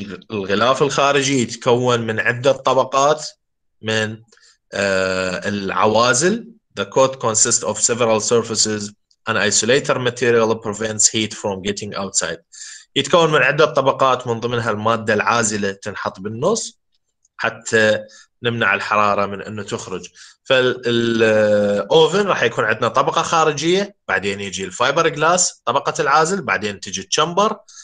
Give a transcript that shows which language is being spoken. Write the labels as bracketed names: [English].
[Arabic] الغلاف الخارجي يتكون من عدة طبقات من العوازل. [English] The coat consists of several surfaces. An isolator material prevents heat from getting outside. [Arabic] يتكون من عدة طبقات من ضمنها المادة العازلة تنحط بالنص حتى نمنع الحرارة من أنه تخرج. فالأوفن راح يكون عندنا طبقة خارجية، بعدين يجي الفايبر جلاس طبقة العازل، بعدين تجي التشامبر.